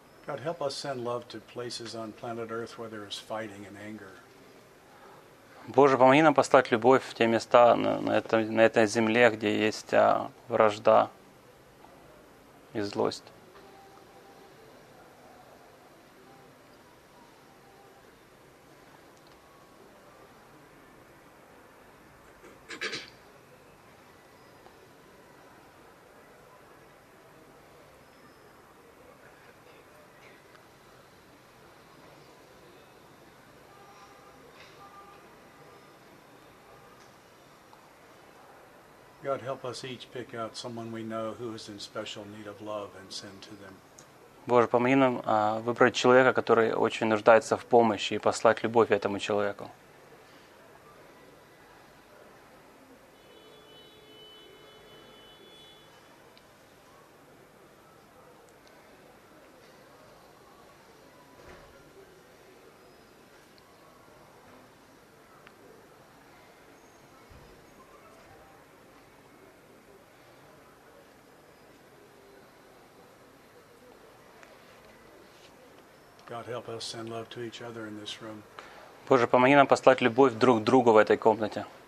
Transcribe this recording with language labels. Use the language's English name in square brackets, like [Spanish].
[English] God, help us send love to places on planet Earth where there is fighting and anger. [Russian] Боже, помоги нам послать любовь в те места на этой земле, где есть вражда и злость. [English] God help us each pick out someone we know who is in special need of love and send to them. [Russian] Боже, помоги нам выбрать человека, который очень нуждается в помощи, и послать любовь этому человеку. [English] God help us send love to each other in this room. [Russian] Боже, помоги нам послать любовь друг к другу в этой комнате.